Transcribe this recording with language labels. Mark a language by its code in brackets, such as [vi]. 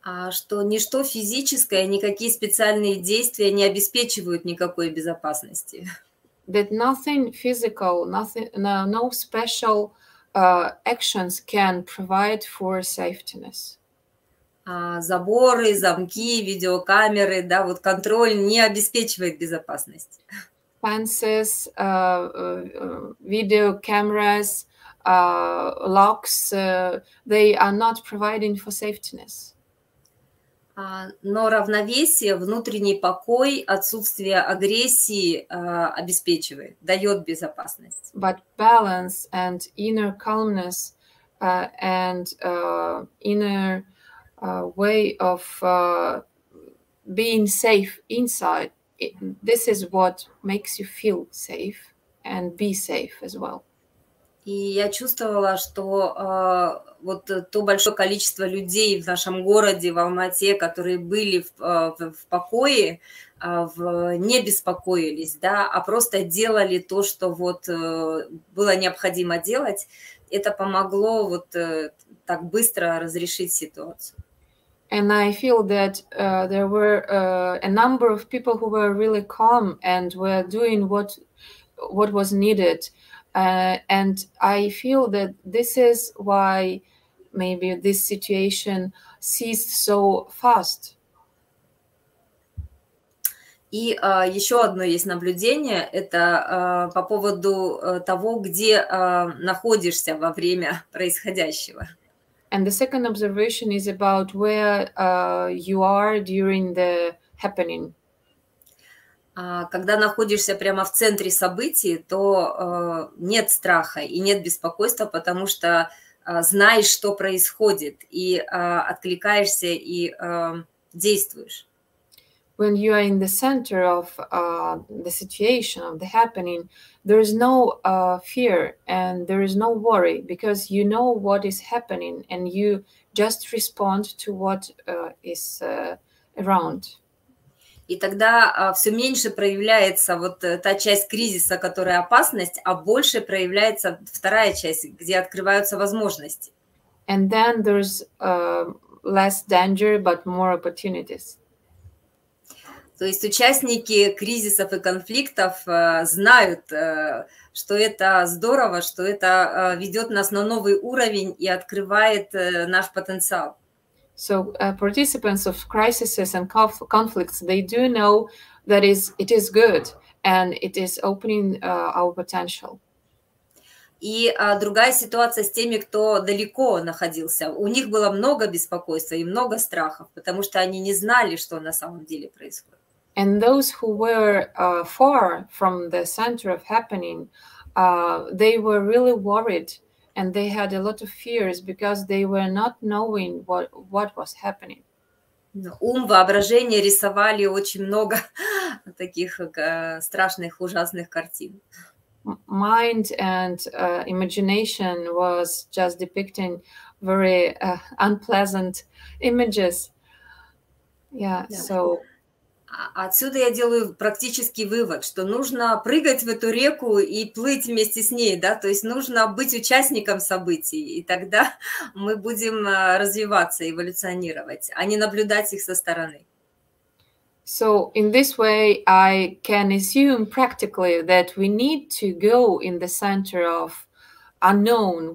[ru] Что ничто физическое, никакие специальные действия не обеспечивают никакой безопасности. [en] That nothing physical, nothing, no special actions can provide for safetyness. [ru] Заборы, замки, видеокамеры, да, вот контроль не обеспечивает безопасность. [en] Fences, video cameras, locks, they are not providing for safetyness. [ru] Но равновесие, внутренний покой, отсутствие агрессии обеспечивает, дает безопасность. [en] But balance and inner calmness and inner way of being safe inside, this is what makes you feel safe and be safe as well. [ru] И я чувствовала, что вот то большое количество людей в нашем городе, в Алма-Ате, которые были в покое, не беспокоились, да, а просто делали то, что вот было необходимо делать, это помогло вот так быстро разрешить ситуацию. [en] And I feel that there were a number of people who were really calm and were doing what was needed. And I feel that this is why maybe this situation ceased so fast. [ru] И еще одно есть наблюдение, это по поводу того, где находишься во время происходящего. [en] And the second observation is about where you are during the happening. [ru] Когда находишься прямо в центре событий, то нет страха и нет беспокойства, потому что знаешь, что происходит, и откликаешься, и действуешь. [en] When you are in the center of the situation, of the happening, there is no fear and there is no worry, because you know what is happening and you just respond to what is around. [ru] И тогда все меньше проявляется вот та часть кризиса, которая опасность, а больше проявляется вторая часть, где открываются возможности. [en] And then there's less danger, but more opportunities. [ru] То есть участники кризисов и конфликтов знают, что это здорово, что это ведет нас на новый уровень и открывает наш потенциал. [en] So participants of crises and conflicts, they do know that it is good and it is opening our potential. [ru] И другая ситуация с теми, кто далеко находился. У них было много беспокойства и много страхов, потому что они не знали, что на самом деле происходит. [en] And those who were far from the center of happening, they were really worried. And they had a lot of fears because they were not knowing what was happening. [ru] Ум, воображение рисовали очень много таких страшных, ужасных картин. [en] Mind and imagination was just depicting very unpleasant images. Yeah, so... [ru] Отсюда я делаю практический вывод, что нужно прыгать в эту реку и плыть вместе с ней, да, то есть нужно быть участником событий, и тогда мы будем развиваться, эволюционировать, а не наблюдать их со стороны. [en] So in this way, I can assume practically that we need to go in the center of unknown.